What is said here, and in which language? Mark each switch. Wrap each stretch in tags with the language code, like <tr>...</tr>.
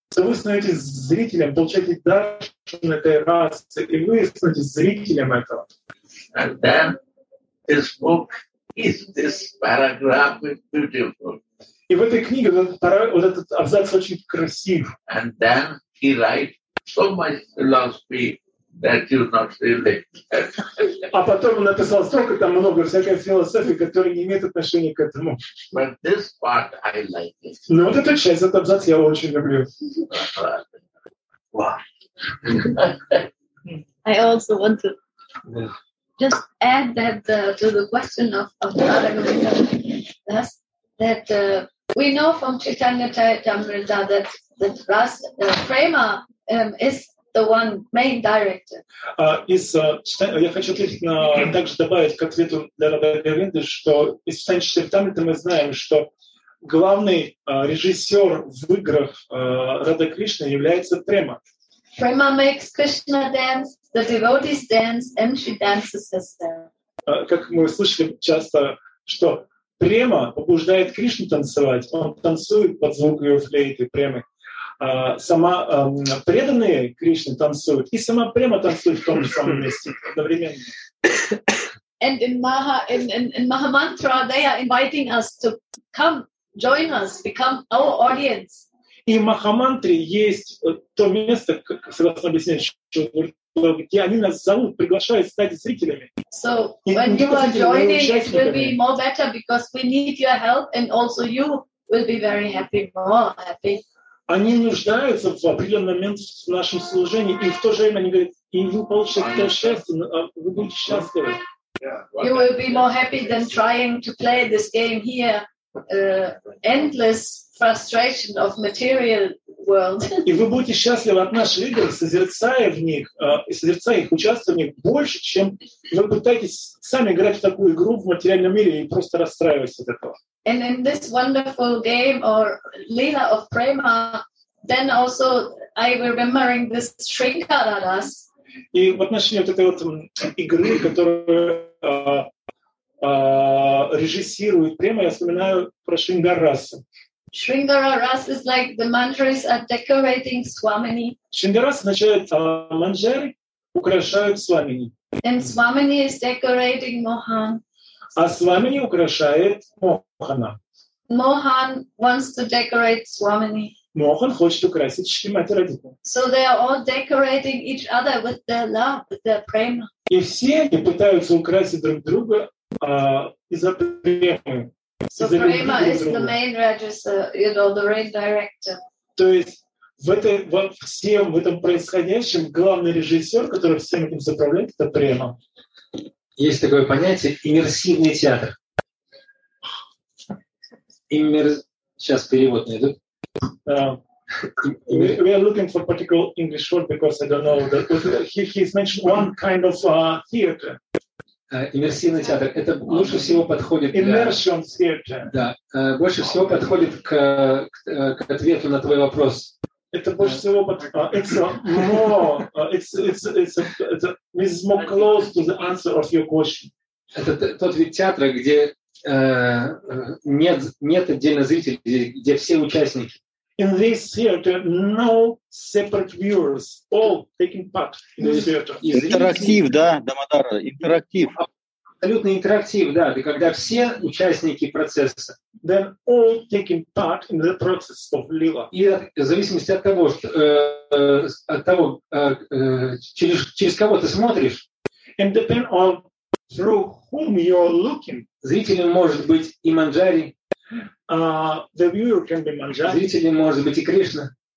<ru>То вы становитесь зрителем, получаете даршан этой расы, и вы становитесь зрителем этого.</ru> <en>And then this book is this paragraph is beautiful.</en> <ru>И в этой книге вот этот абзац очень красив.</ru> <en>And then he writes so much philosophy that you not really.</en> <ru>А потом он написал столько там много всякой философии, которая не имеет отношения к этому.</ru> <en>But this part I like it.</en> <ru>Но вот эта часть, этот абзац я очень люблю.</ru> <en>I also want to just add that to the question of Radha Govinda, that we know from Chaitanya Charitamrita that Prema is the one main director.</en> <ru>Я хочу также добавить к ответу для Радха Говинды, что из Чайтанья Чаритамриты мы знаем, что главный режиссер в играх Радха Кришны является Према.</ru> <en>Prema makes Krishna dance, the devotees dance, and she dances herself.</en> <ru>Как мы слышали часто, что Prema побуждает Кришну танцевать, он танцует под звук ее флейты, Премы. Сама преданные Кришне танцуют, и сама Prema танцует в том же самом месте одновременно.</ru> <en>And in Mahamantra they are inviting us to come, join us, become our audience.</en> <ru>И в Махамантре есть то место, как, согласно объяснению, где они нас зовут, приглашают стать зрителями.</ru> <en>So, when you are joining, it will be more better, because we need your help, and also you will be very happy, more happy.</en> <ru>Они нуждаются в определенный момент в нашем служении, и в то же время они говорят, и вы получите это счастье, вы будете счастливы.</ru> <en>You will be more happy than trying to play this game here. Endless frustration of material world.</en> <ru>И вы будете счастливы от наших игр, созерцая их, участвуя в них больше, чем вы пытаетесь сами играть в такую игру в материальном мире и просто расстраиваясь от этого.</ru> <en>And in this wonderful game or Leela of Prema, then also I will remembering this Shrinkaradas.</en> <ru>И в отношении вот этой вот игры, которую режиссирует Prema, я вспоминаю про Шрингарасу.</ru> <en>Шрингарарас is like the mandaris are decorating Swamini.</en> <ru>Шрингарас означает манджари, украшают Свамини.</ru> <en>And Swamini is decorating Mohan.</en> <ru>А Свамини украшает Мохана.</ru> <en>Mohan wants to decorate Swamini.</en> <ru>Мохан хочет украсить Шримати Радхику.</ru> <en>So they are all decorating each other with their love, with their prema.</en> <ru>И все они пытаются украсить друг друга из-за премы.</ru> <en>So Prema is the main register, you know, the main director.</en> <ru>То есть в этой во всем в этом происходящем главный режиссер, который всем этим заправляет, это Prema. Есть такое понятие иммерсивный театр. Сейчас перевод найду.</ru> <en>We are looking for a particular English word because I don't know that. He's mentioned one kind of theater.</en> <ru>Иммерсивный театр. Это лучше всего подходит.</ru> <en>Immersion theater.</en> <ru>Да. Больше всего подходит к ответу на твой вопрос. Это больше всего подходит.</ru> <en>It's more close to the answer of your question.</en> <ru>Это тот вид театра, где нет отдельно зрителей, где все участники.</ru> <en>In this theater, no separate viewers, all taking part in this theater.</en> <ru>Интерактив, да, Дамодара, интерактив. Абсолютно интерактив, да, когда все участники процесса.</ru> <en>Then all taking part in the process of Lila.</en> <ru>И в зависимости от того, через кого ты смотришь.</ru> <en>And depend on through whom you're looking.</en> <ru>Зрителем может быть и Манджари.</ru> <en>The viewer can be Manjari.</en> <ru>Зрителем может быть и Кришна.</ru>